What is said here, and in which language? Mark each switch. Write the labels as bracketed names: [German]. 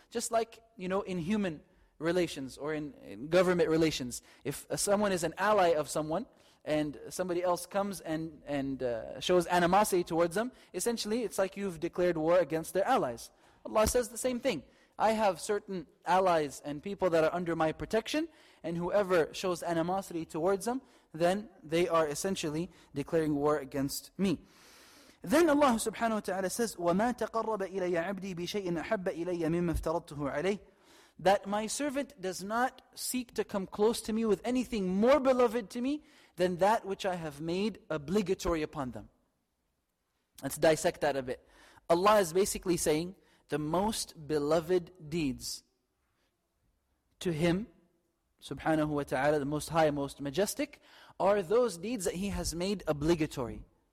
[English] Just like, you know, in human relations or in government relations, if someone is an ally of someone and somebody else comes and shows animosity towards them, essentially it's like you've declared war against their allies. Allah says the same thing. I have certain allies and people that are under my protection, and whoever shows animosity towards them, then they are essentially declaring war against me. Then Allah subhanahu wa ta'ala says, [Arabic] وَمَا تَقَرَّبَ إِلَيَّ عَبْدِي بِشَيْءٍ أَحَبَّ إِلَيَّ مِمَّ افْتَرَضْتُهُ عَلَيْهِ. [English] That my servant does not seek to come close to me with anything more beloved to me than that which I have made obligatory upon them. Let's dissect that a bit. Allah is basically saying, the most beloved deeds to Him, subhanahu wa ta'ala, the most high, most majestic, are those deeds that He has made obligatory.